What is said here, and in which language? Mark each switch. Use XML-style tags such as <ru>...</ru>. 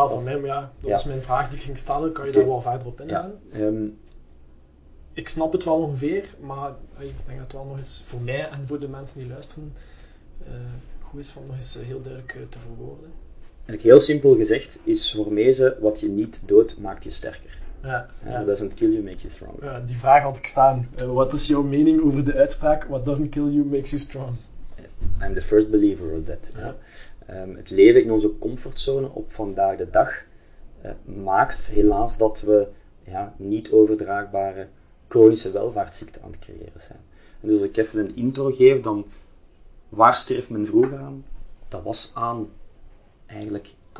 <nl>Wel, voor mij, dat was mijn vraag die ik ging stellen. Kan je daar wel verder op ingaan? Ja. Ik snap het wel ongeveer, maar ik denk dat het wel nog eens voor mij en voor de mensen die luisteren, goed is om nog eens heel duidelijk te verwoorden. Eigenlijk heel simpel gezegd, is hormezen wat je niet doodt, maakt je sterker. Ja.</nl> <en>Doesn't kill you, makes you stronger.</en> <nl>Ja, die vraag had ik staan. Wat is jouw mening over de uitspraak,</nl> <en>what doesn't kill you, makes you strong? I'm the first believer of that.</en> <nl>Ja. Het leven in onze comfortzone op vandaag de dag maakt helaas dat we niet overdraagbare chronische welvaartsziekten aan het creëren zijn. En dus als ik even een intro geef, dan waar stierf men vroeger aan? Dat was aan eigenlijk</nl>